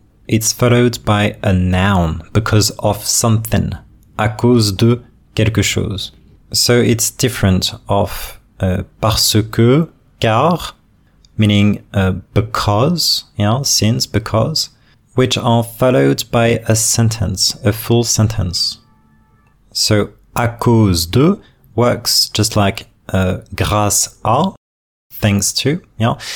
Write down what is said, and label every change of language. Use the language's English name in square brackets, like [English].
[English] It's followed by a noun, because of something. [French] À cause de quelque chose. [English] So, it's different of parce que, car, meaning because, yeah, since, because, which are followed by a sentence, a full sentence. So, à cause de works just like grâce à, thanks to, yeah?